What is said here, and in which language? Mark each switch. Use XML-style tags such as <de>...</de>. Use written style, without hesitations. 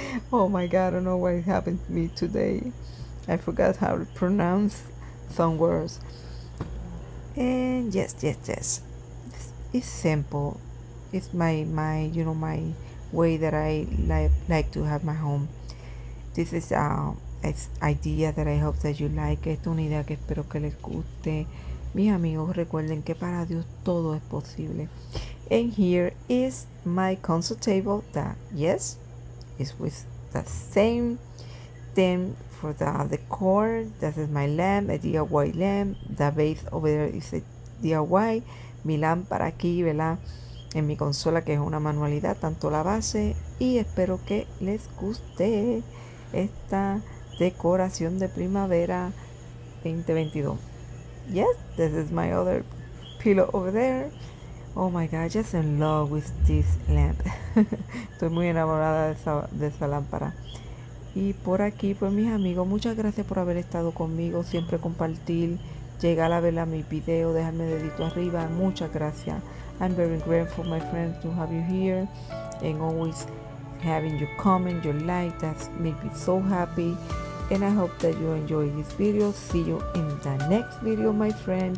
<en>Oh my God, I don't know what happened to me today. I forgot how to pronounce some words. And yes, yes, yes. It's simple. It's my, you know, my way that I like to have my home. This is idea that I hope that you like.</en> <es>Esta es una idea que espero que les guste. Mis amigos, recuerden que para Dios todo es posible.</es> <en>And here is my console table that, yes, is with the same theme for the decor. This is my lamp, a DIY lamp. The base over there is a DIY.</en> <es>Mi lámpara aquí, ¿verdad? En mi consola, que es una manualidad, tanto la base. Y espero que les guste esta decoración de primavera 2022.</es> <en>Yes, this is my other pillow over there. Oh my God, just in love with this lamp.</en> <es>Estoy muy enamorada de esa lámpara. Y por aquí, pues mis amigos, muchas gracias por haber estado conmigo. Siempre compartir, llegar a ver a mi video, dejarme dedito arriba. Muchas gracias.</es> <en>I'm very grateful, my friend, to have you here. And always having your comment, your like, that's made me so happy. And I hope that you enjoy this video. See you in the next video, my friend.</en>